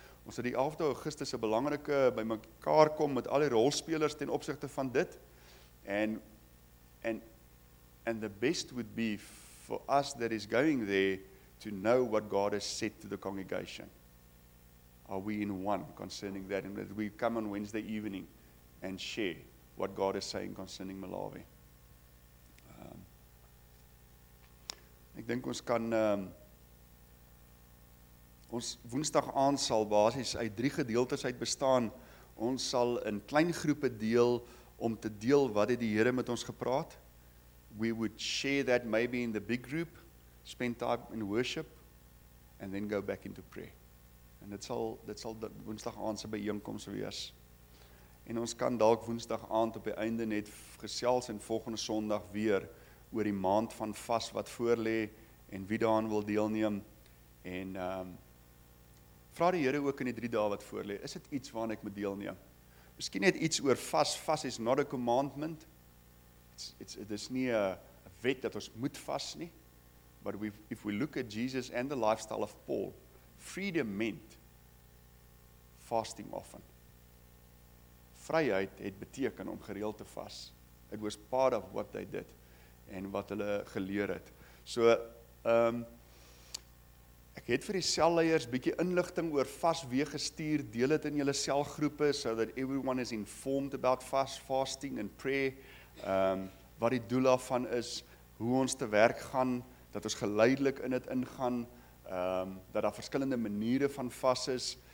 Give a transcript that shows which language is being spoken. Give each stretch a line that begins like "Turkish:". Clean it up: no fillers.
Afrikaans: Ons het die 11de Augustus 'n belangrike bymekaar kom met al die rolspelers ten opsigte van dit.
English: And the best would be for us that is going there to know what God has said to the congregation. Are we in one concerning that? And that we come on Wednesday evening and share what God is saying concerning Malawi.
Afrikaans: Ek dink ons kan ons woensdag aand sal basies uit 3 gedeeltes uit bestaan. Ons sal in klein groepe deel om te deel wat het die Here met ons gepraat.
English: We would share that maybe in the big group, spend time in worship and then go back into prayer.
Afrikaans: En dit sal woensdag aand se byeenkoms wees. En ons kan dalk woensdag aand op die einde net gesels en volgende Sondag weer oor die maand van vas wat voorlê en wie daaraan wil deelneem en vra die Here ook in die 3 dae wat voorlê, is dit iets waaraan ek moet deelneem? Miskien net iets oor vas. Vas
English: is not a commandment.
Afrikaans: It is nie 'n wet dat ons moet vas nie.
English: But if we look at Jesus and the lifestyle of Paul, freedom meant fasting often.
Afrikaans: Vryheid het beteken om gereeld te vas.
English: It was part of what they did
Afrikaans: en wat hulle geleer het. So ek het vir die selleiers bietjie inligting oor vas weer gestuur. Deel dit in julle selgroepe
English: so that everyone is informed about fasting and prayer.
Afrikaans: Wat die doel daarvan is, hoe ons te werk gaan, dat ons geleidelik in dit ingaan, dat daar verskillende maniere van vas is.